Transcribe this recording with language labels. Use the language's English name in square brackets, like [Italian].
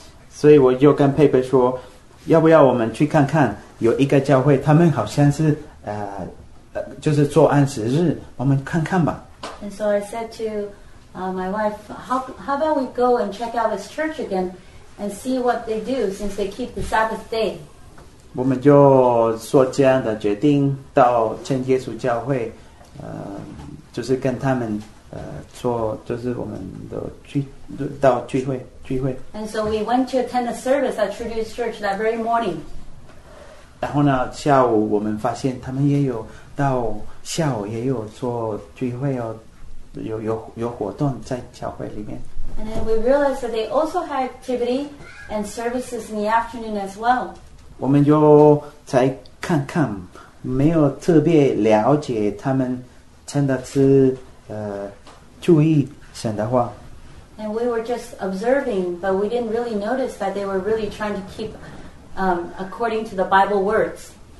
[Chinese] 所以我就跟佩佩说要不要我们去看看有一个教会他们好像是就是做安息日我们看看吧 [English] And so I said to my wife how about we go and check out this church again and see what they do since they keep the Sabbath day [Chinese] 我们就做这样的决定到真耶稣教会就是跟他们做就是我们的聚会 [English] And so we went to attend a service at Trudeau's church that very morning [Chinese] 然后呢下午我们发现他们也有到下午也有做聚会哦有活动在教会里面 [English] And then we realized that they also had activity and services in the afternoon as well [Chinese] 我们就才看看没有特别了解他们真的是注意神的话 [English] And we were just observing but we didn't really notice that they were really trying to keepAccording to the Bible words.